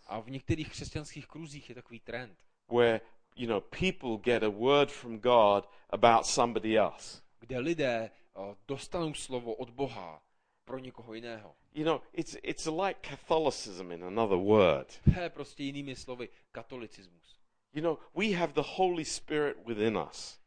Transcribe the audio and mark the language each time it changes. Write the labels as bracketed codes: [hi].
[cs] A v některých křesťanských kruzích je takový trend. [en] Where, you know, people get a word from God about somebody else. [cs] Kde lidé dostanou slovo od Boha pro někoho jiného. [en] You know, it's like Catholicism in another word. [cs] To je prostě jinými slovy katolicismus. [en] You know, we have the Holy Spirit within us.